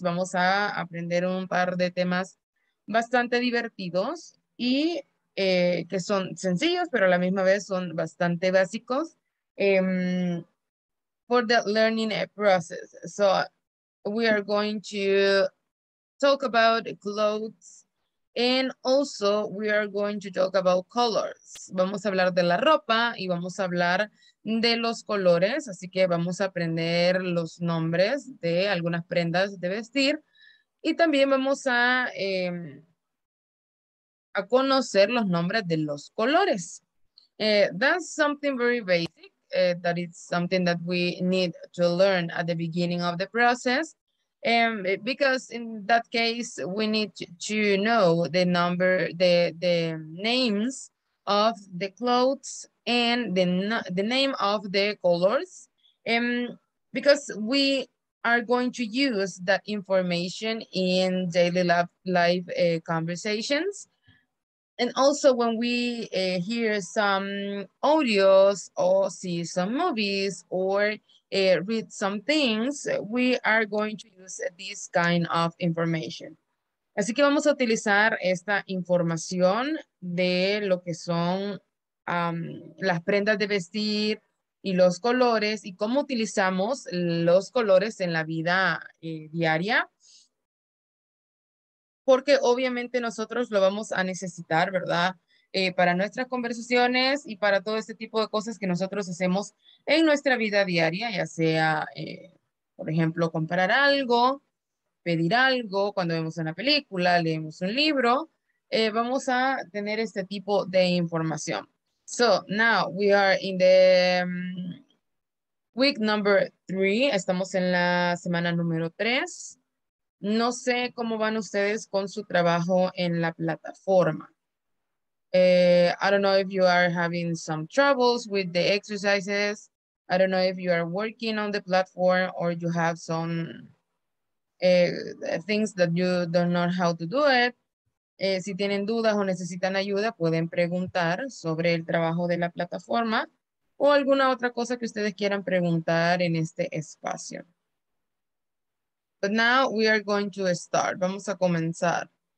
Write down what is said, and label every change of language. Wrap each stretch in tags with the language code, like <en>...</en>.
<es>Vamos a aprender un par de temas bastante divertidos y que son sencillos, pero a la misma vez son bastante básicos.</es> <en>For the learning process. So we are going to talk about clothes and also we are going to talk about colors.</en> <es>Vamos a hablar de la ropa y vamos a hablar de los colores. Así que vamos a aprender los nombres de algunas prendas de vestir y también vamos a conocer los nombres de los colores.</es> <en>That's something very basic. That it's something that we need to learn at the beginning of the process. Because in that case, we need to know the number, the names of the clothes and the name of the colors. Because we are going to use that information in daily life conversations. And also when we hear some audios or see some movies or read some things, we are going to use this kind of information.</en> <es>Así que vamos a utilizar esta información de lo que son las prendas de vestir y los colores y cómo utilizamos los colores en la vida diaria. Porque obviamente nosotros lo vamos a necesitar, ¿verdad? Para nuestras conversaciones y para todo este tipo de cosas que nosotros hacemos en nuestra vida diaria, ya sea, por ejemplo, comprar algo, pedir algo, cuando vemos una película, leemos un libro, vamos a tener este tipo de información.</es> <en>So, now we are in the week number 3,</en> <es>estamos en la semana número 3. No sé cómo van ustedes con su trabajo en la plataforma.</es> <en>I don't know if you are having some troubles with the exercises. I don't know if you are working on the platform or you have some things that you don't know how to do it.</en> <es>Si tienen dudas o necesitan ayuda, pueden preguntar sobre el trabajo de la plataforma o alguna otra cosa que ustedes quieran preguntar en este espacio.</es> <en>But now we are going to start.</en> <es>Vamos a comenzar.</es>